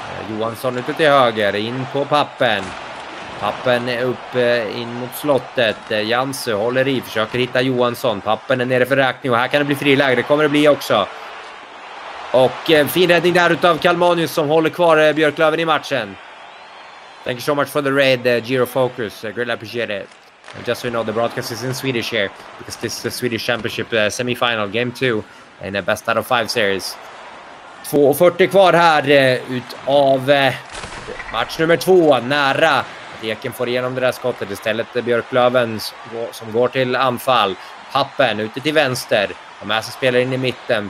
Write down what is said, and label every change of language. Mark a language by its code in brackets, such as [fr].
[sv] Johansson ute till höger, in på pappen. Pappen är upp in mot slottet. Jansu håller i, försöker hitta Johansson. Pappen är nere för räkning och här kan det bli friläge. Det kommer det bli också. Och fin räddning där utav Calmanius som håller kvar Björklöven i matchen. [en] Thank you so much for the raid, Giro Focus. Greatly appreciate it. And just so you know, the broadcast is in Swedish here. Because this is the Swedish Championship semifinal, game 2 in the best out of 5 series. [sv] 2.40 kvar här utav match nummer 2, nära. Eken får igenom det där skottet. Istället är Björklöven som går till anfall. Pappen ute till vänster. De här som spelar in i mitten.